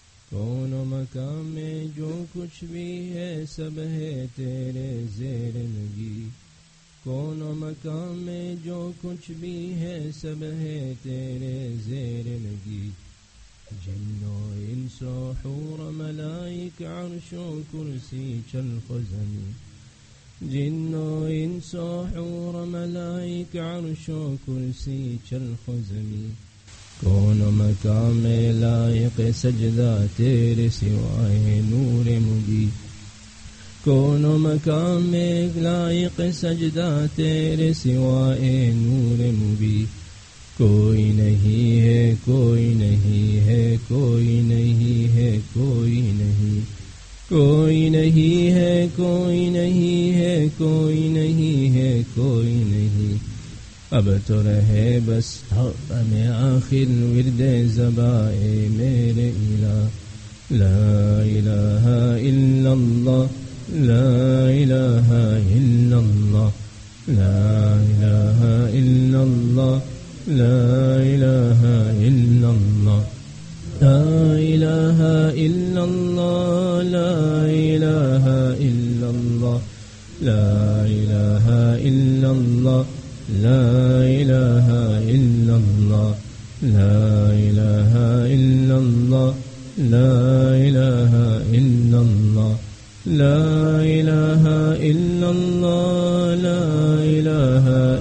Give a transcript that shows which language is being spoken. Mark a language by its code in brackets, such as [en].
[ur] کون مکان میں جو کچھ بھی ہے سب ہے تیرے زیر نگی. کون مکان میں جو کچھ بھی ہے سب ہے تیرے زیر نگی. جن و انس و حور ملائک عرش و کرسی چرخ و زمین. جن و انس و حور ملائک عرش و کرسی چرخ و زمین. کون مکان میں لائق سجدہ تیرے سوائے نور مبی. کون مکان میں لائق سجدہ تیرے سوائے نور مبی. کوئی نہیں ہے کوئی نہیں ہے کوئی نہیں ہے کوئی نہیں. کوئی نہیں ہے کوئی نہیں ہے کوئی نہیں ہے کوئی نہیں. اب تو رہے بس ہم آخر ورد زبائے میرے الہ. [ar] لا الہ الا اللہ. لا الہ الا اللہ. لا الہ الا اللہ. لا الہ الا اللہ. لا الہ الا اللہ. لا الہ الا اللہ. لا الہ إلا الله لا إله إلا الله لا إله إلا الله لا إله إلا الله لا إله إلا الله لا إله